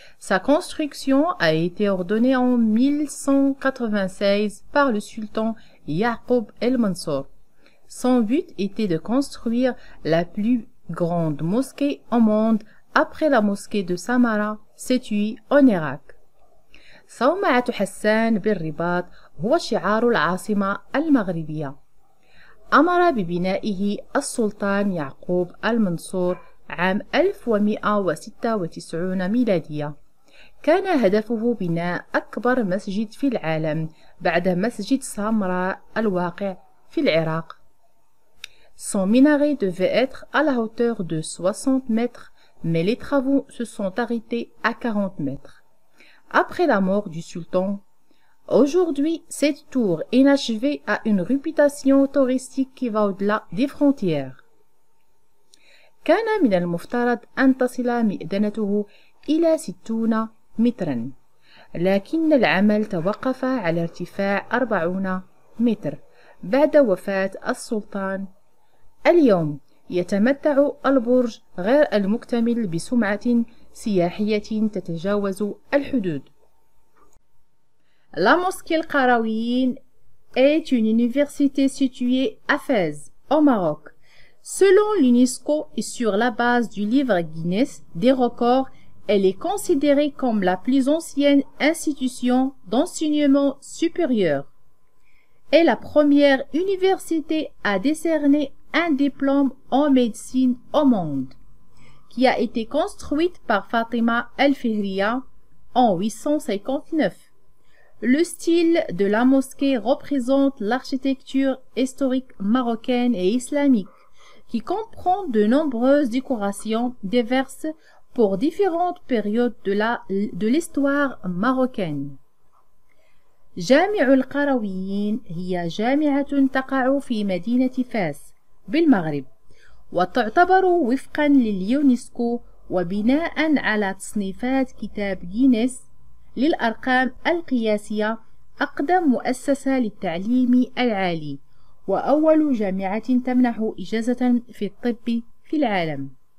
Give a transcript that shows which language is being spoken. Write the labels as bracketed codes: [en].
[fr] Sa construction a été ordonnée en 1196 par le sultan Yaqub El Mansour. Son but était de construire la plus grande mosquée au monde après la mosquée de Samarra, située en Irak. [ar] صومعة حسان بالرباط هو شعار العاصمة المغربية. أمر ببنائه السلطان يعقوب المنصور عام 1196 ميلادية. كان هدفه بناء أكبر مسجد في العالم بعد مسجد سامراء الواقع في العراق. [fr] Son minaret devait être à la hauteur de 60 mètres, mais les travaux se sont arrêtés à 40 mètres. Après la mort du sultan, aujourd'hui, cette tour inachevée a une réputation touristique qui va au-delà des frontières. [ar] كان من المفترض أن تصل مئذنته إلى 60 مترا، لكن العمل توقف على ارتفاع 40 متر بعد وفاة السلطان. اليوم يتمتع البرج غير المكتمل بسمعة سياحية تتجاوز الحدود. [fr] La mosquée Al-Qarawiyyin est une université située à Fès, au Maroc. Selon l'UNESCO et sur la base du livre Guinness des records, elle est considérée comme la plus ancienne institution d'enseignement supérieur. Elle est la première université à décerner un diplôme en médecine au monde, qui a été construite par Fatima Al-Fihriya en 859. Le style de la mosquée représente l'architecture historique marocaine et islamique, qui comprend de nombreuses décorations diverses pour différentes périodes de l'histoire marocaine. [ar] جامع القرويين هي جامعة تقع في مدينة فاس بالمغرب وتعتبر وفقا لليونسكو وبناء على تصنيفات كتاب غينيس للأرقام القياسية أقدم مؤسسة للتعليم العالي وأول جامعة تمنح إجازة في الطب في العالم